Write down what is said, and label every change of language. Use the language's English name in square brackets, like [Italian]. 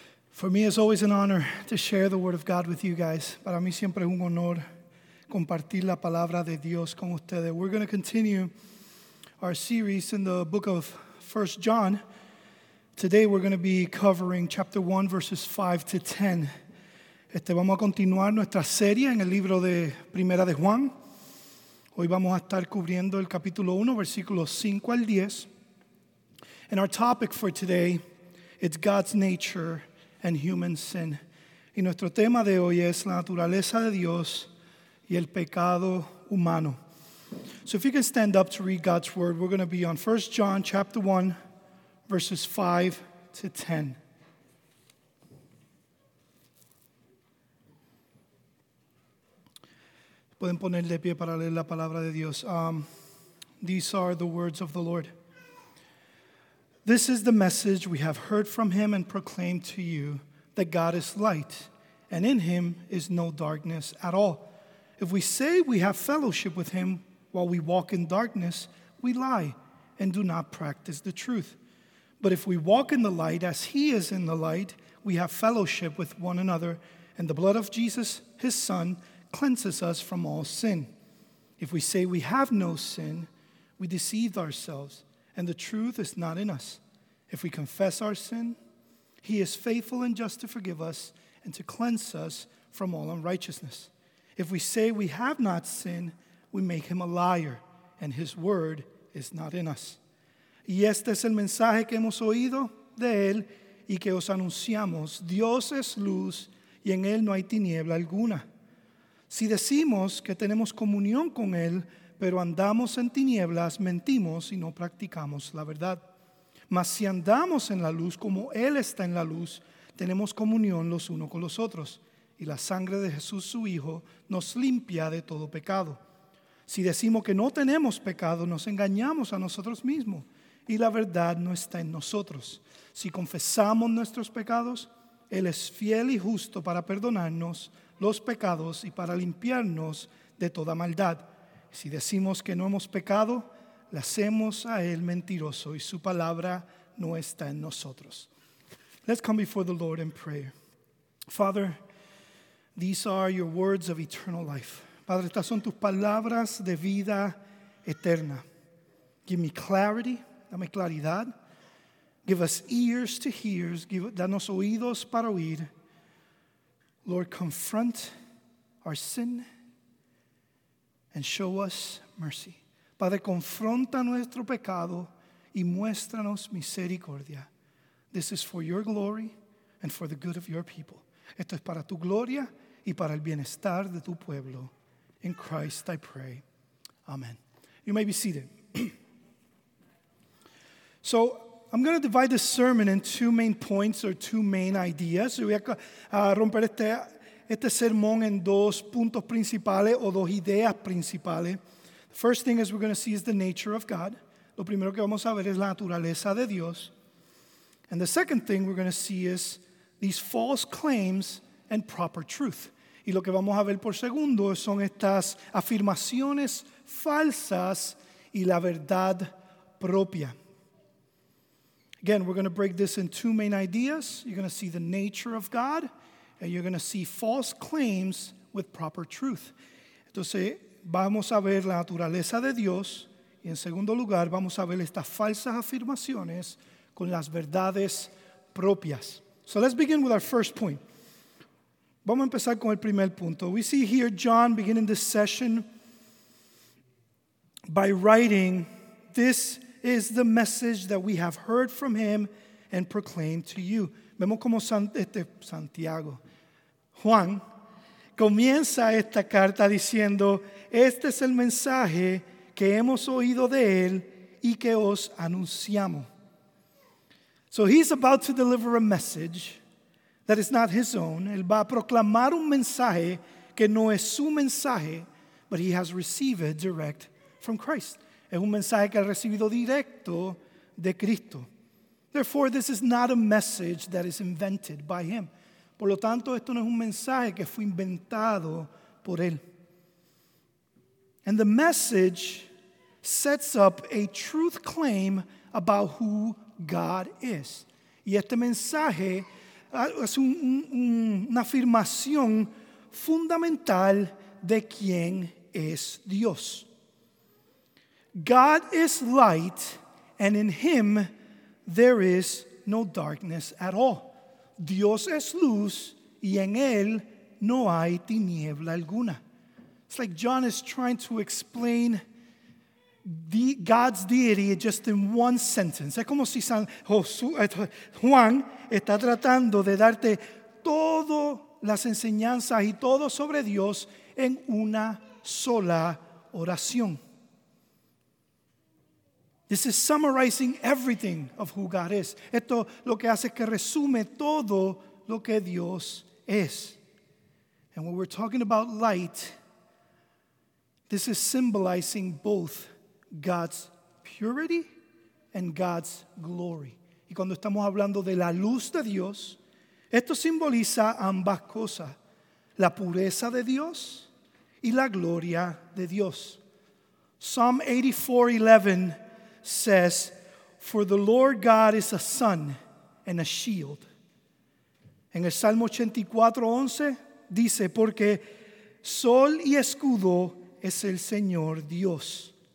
[English] For me, it's always an honor to share the word of God with you guys. [Spanish] Para mí siempre es un honor compartir la palabra de Dios con ustedes. [English] We're going to continue our series in the book of 1 John. Today, we're going to be covering chapter 1, verses 5 to 10. [Spanish] Vamos a continuar nuestra serie en el libro de Primera de Juan. Hoy vamos a estar cubriendo el capítulo 1, versículos 5 al 10. [English] And our topic for today, it's God's nature and human sin. [Spanish] Y nuestro tema de hoy es la naturaleza de Dios y el pecado humano. [English] So if you can stand up to read God's word, we're going to be on 1 John chapter 1, verses 5 to 10. [Spanish] Pueden poner de pie para leer la palabra de Dios. [English] These are the words of the Lord. This is the message we have heard from him and proclaimed to you, that God is light, and in him is no darkness at all. If we say we have fellowship with him while we walk in darkness, we lie and do not practice the truth. But if we walk in the light as he is in the light, we have fellowship with one another, and the blood of Jesus, his son, cleanses us from all sin. If we say we have no sin, we deceive ourselves, and the truth is not in us. If we confess our sin, he is faithful and just to forgive us and to cleanse us from all unrighteousness. If we say we have not sinned, we make him a liar, and his word is not in us. [Spanish] Y este es el mensaje que hemos oído de él y que os anunciamos. Dios es luz, y en él no hay tiniebla alguna. Si decimos que tenemos comunión con él, pero andamos en tinieblas, mentimos y no practicamos la verdad. Mas si andamos en la luz como Él está en la luz, tenemos comunión los unos con los otros, y la sangre de Jesús, su Hijo, nos limpia de todo pecado. Si decimos que no tenemos pecado, nos engañamos a nosotros mismos, y la verdad no está en nosotros. Si confesamos nuestros pecados, Él es fiel y justo para perdonarnos los pecados y para limpiarnos de toda maldad. Si decimos que no hemos pecado, le hacemos a él mentiroso y su palabra no está en nosotros. [English] Let's come before the Lord in prayer. Father, these are your words of eternal life. [Spanish] Padre, estas son tus palabras de vida eterna. [English] Give me clarity, [Spanish] dame claridad. [English] Give us ears to hear, [Spanish] danos oídos para oír. [English] Lord, confront our sin and show us mercy. [Spanish] Padre, confronta nuestro pecado y muéstranos misericordia. [English] This is for your glory and for the good of your people. [Spanish] Esto es para tu gloria y para el bienestar de tu pueblo. [English] In Christ I pray. Amen. You may be seated. So, I'm going to divide this sermon in two main points or two main ideas. [Spanish] Voy a romper este sermón en dos puntos principales o dos ideas principales. [English] The first thing is we're going to see is the nature of God. [Spanish] Lo primero que vamos a ver es la naturaleza de Dios. [English] And the second thing we're going to see is these false claims and proper truth. [Spanish] Y lo que vamos a ver por segundo son estas afirmaciones falsas y la verdad propia. [English] Again, we're going to break this in two main ideas. You're going to see the nature of God. And you're going to see false claims with proper truth. [Spanish] Entonces, vamos a ver la naturaleza de Dios. Y en segundo lugar, vamos a ver estas falsas afirmaciones con las verdades propias. [English] So let's begin with our first point. [Spanish] Vamos a empezar con el primer punto. [English] We see here John beginning this session by writing, "This is the message that we have heard from him and proclaimed to you." [Spanish] Vemos como Santiago. Juan comienza esta carta diciendo, este es el mensaje que hemos oído de él y que os anunciamos. [English] So he's about to deliver a message that is not his own. [Spanish] Él va a proclamar un mensaje que no es su mensaje, [English] but he has received it direct from Christ. [Spanish] Es un mensaje que ha recibido directo de Cristo. [English] Therefore, this is not a message that is invented by him. [Spanish] Por lo tanto, esto no es un mensaje que fue inventado por él. [English] And the message sets up a truth claim about who God is. [Spanish] Y este mensaje es una afirmación fundamental de quién es Dios. [English] God is light, and in him there is no darkness at all. [Spanish] Dios es luz, y en él no hay tiniebla alguna. [English] It's like John is trying to explain God's deity just in one sentence. [Spanish] Es como si Juan está tratando de darte todas las enseñanzas y todo sobre Dios en una sola oración. [English] This is summarizing everything of who God is. [Spanish] Esto lo que hace es que resume todo lo que Dios es. [English] And when we're talking about light, this is symbolizing both God's purity and God's glory. [Spanish] Y cuando estamos hablando de la luz de Dios, esto simboliza ambas cosas, la pureza de Dios y la gloria de Dios. [English] Psalm 84:11 says, "For the Lord God is a sun and a shield." [Spanish] En el Salmo 84:11 dice, "Porque sol y escudo es el Señor Dios."